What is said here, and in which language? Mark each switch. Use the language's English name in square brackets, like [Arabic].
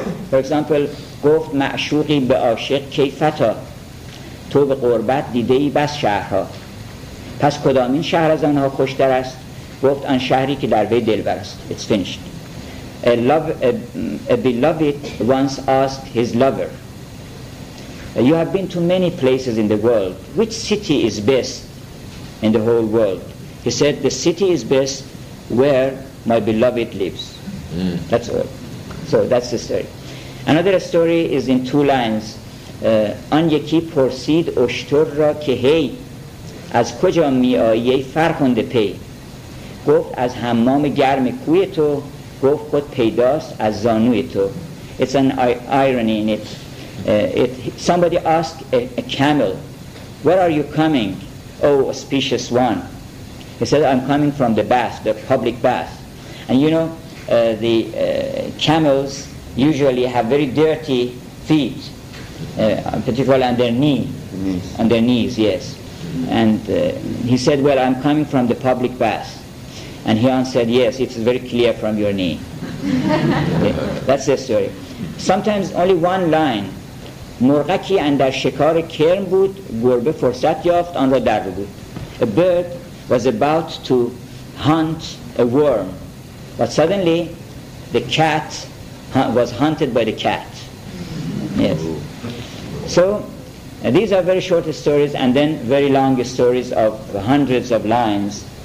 [English] For example, [Persian] گفت معشوقی به عاشق کی فتا تو به قربت دیده ای بس شهرها پس کدام این شهر از آنها خوشتر است گفت آن شهری که در وی دلبر است. [English] It's finished. A beloved once asked his lover, "You have been to many places in the world. Which city is best in the whole world?" He said, "The city is best where my beloved lives." Mm. That's all. So that's the story. Another story is in two lines. [Persian] آن یکی پرسید اشتر را که هی از کجا می آیی فرخنده پی گفت از حمام گرم کوی تو گفت خود پیداست از زانوی تو. [English] It's an irony in it. Somebody asked a camel, "Where are you coming, oh auspicious one?" He said, "I'm coming from the bath, the public bath." And you know, the camels usually have very dirty feet, particularly on their knees. On their knees, yes. And he said, "Well, I'm coming from the public bath." And he answered, "Yes, it's very clear from your knee." That's the story. Sometimes only one line. [Persian] مرغکی اندر شکار کرم بود گربه فرصت یافت آن را در بود. [English] A bird was about to hunt a worm, but suddenly the cat was hunted by the cat. Yes. So these are very short stories, and then very long stories of hundreds of lines.